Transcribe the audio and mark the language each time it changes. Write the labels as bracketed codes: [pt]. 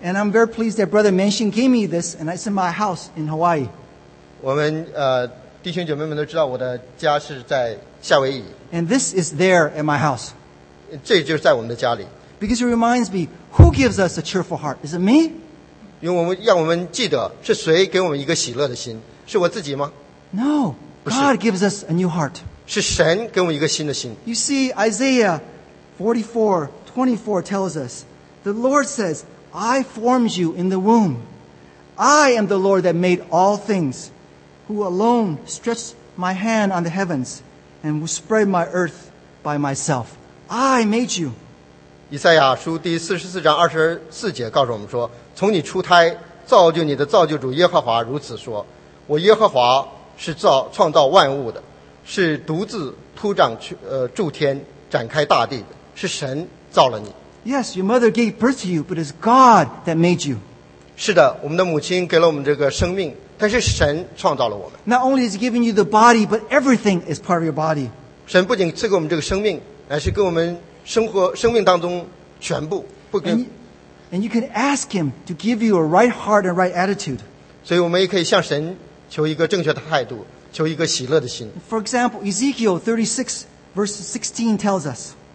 [en] And I'm very pleased that Brother Manshin gave me this, and it's in my house in Hawaii. [zh] 我们弟兄姐妹们都知道我的家是在夏威夷。 [en] And this is there at my house. [zh] 这就是在我们的家里。 [en] Because it reminds me, who gives us a cheerful heart? Is it me? [zh] 因为我们让我们记得是谁给我们一个喜乐的心，是我自己吗 [en] ？No, God gives us a new heart. [zh] 是神给我们一个新的心。 [en] You see, Isaiah 44:24 tells us, the Lord says, "I formed you in the womb. I am the Lord that made all things, who alone stretched my hand on the heavens and spread my earth by myself. I made you." [zh] 以赛亚书第44:24告诉我们说。从你出胎造就你的造就主耶和华如此说我耶和华是创造万物的是独自铺张诸天展开大地的是神造了你 [en] Yes, your mother gave birth to you but it's God that made you [zh] 是的我们的母亲给了我们这个生命但是神创造了我们 [en] Not only is he giving you the body but everything is part of your body [zh] 神不仅赐给我们这个生命乃是给我们生活生命当中全部不跟 [en] And you can ask him to give you a right heart and right attitude. [zh] 所以我们也可以向神求一个正确的态度，求一个喜乐的心。 [en] For example, Ezekiel 36:16 tells us.